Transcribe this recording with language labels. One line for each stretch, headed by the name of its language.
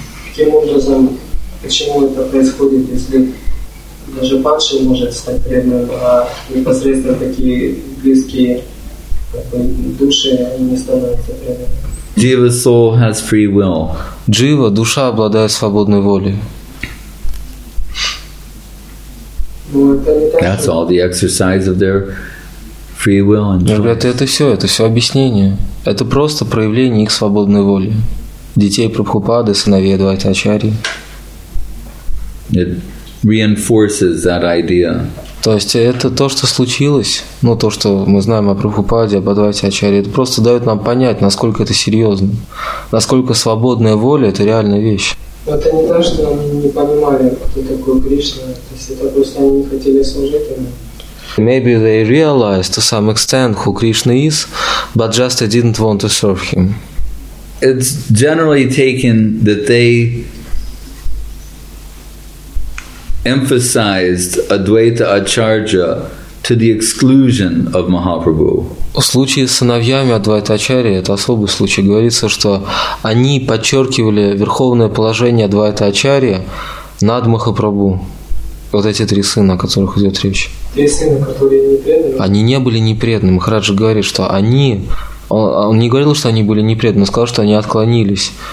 Russian: Каким образом, почему это происходит, если даже падший может стать преданным, а непосредственно такие близкие, как бы, души, они не становятся преданными?
English: Jiva soul has free will.
Russian: Jiva, душа обладает свободной волей.
English: That's all the exercise of their free will and choice.
Russian: Ребята, это все объяснение. Это просто проявление их свободной воли. Детей Прабхупады, сыновей Адвайты Ачарьи.
English: It reinforces that idea.
Russian: То есть это то, что случилось, ну то, что мы знаем о Прабхупаде, об Адвайте Ачарье, это просто дает нам понять, насколько это серьезно, насколько свободная воля – это реальная вещь. Это не то, что они не понимали, кто такой Кришна, то есть это просто они хотели служить ему.
English: Maybe they realized to some extent who Krishna is, but just they didn't want to serve him. It's generally taken that they emphasized Advaita Acharya to the exclusion of Mahaprabhu.
Russian: В случае с сыновьями Адвайта Ачарьи, это особый случай, говорится, что они подчеркивали верховное положение Адвайта Ачарьи над Махапрабху. Вот эти три сына, о которых идет речь. Три сына, которые не преданы? Они не были непреданы. Махараджа говорит, что они... Он не говорил, что они были непреданы, он сказал, что они отклонились.